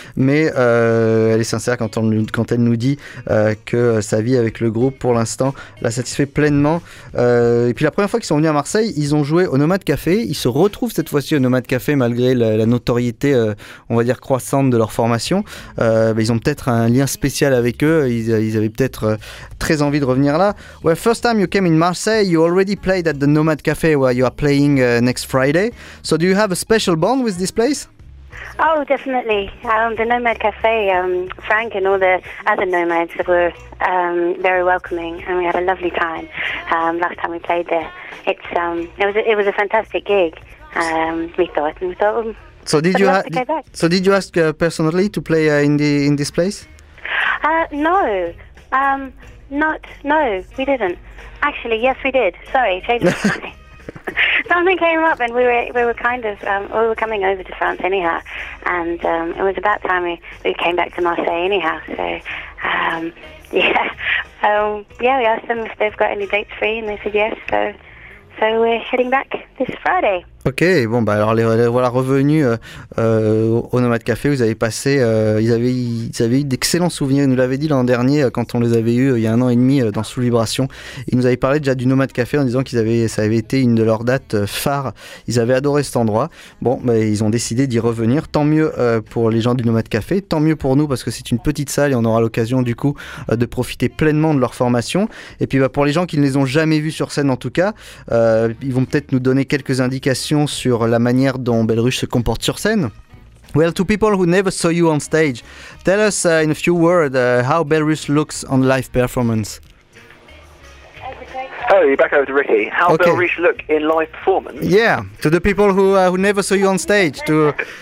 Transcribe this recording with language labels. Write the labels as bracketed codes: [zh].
[fr] Mais elle est sincère quand, on, quand elle nous dit que sa vie avec le groupe, pour l'instant, la satisfait pleinement. Et puis la première fois qu'ils sont venus à Marseille, ils ont joué au Nomade Café. Ils se retrouvent cette fois-ci au Nomade Café malgré la, la notoriété, on va dire, croissante de leur formation. Ils ont peut-être un lien spécial avec eux. Ils avaient peut-être très envie de revenir là. [en] Well, first time you came in Marseille, you already played at the Nomade Café where you are playing. Next Friday. So do you have a special bond with this place? Oh, definitely. The Nomad Cafe, Frank and all the other nomads were very welcoming, and we had a lovely time last time we played there. It's it was a fantastic gig. We thought. So did you ask personally to play in this place? No, we didn't. Actually, yes, we did. Sorry, changed my mind. Something came up, and we were coming over to France anyhow, and it was about time we came back to Marseille anyhow. So we asked them if they've got any dates free, and they said yes. So we're heading back this Friday. [fr] Ok, bon bah alors les voilà revenus au Nomade Café. Vous avez passé, ils avaient eu d'excellents souvenirs. Ils nous l'avaient dit l'an dernier quand on les avait eus il y a un an et demi dans Sous Vibration. Ils nous avaient parlé déjà du Nomade Café en disant que ça avait été une de leurs dates phares. Ils avaient adoré cet endroit. Bon, bah, ils ont décidé d'y revenir. Tant mieux pour les gens du Nomade Café. Tant mieux pour nous parce que c'est une petite salle et on aura l'occasion du coup de profiter pleinement de leur formation. Et puis bah, pour les gens qui ne les ont jamais vus sur scène en tout cas, ils vont peut-être nous donner quelques indications sur la manière dont Belruche se comporte sur scène. [en] Well, to people who never saw you on stage, tell us in a few words how Belruche looks on live performance. Oh, you're back over to Ricky. How okay. Belruche look in live performance? Yeah, to the people who never saw you on stage. To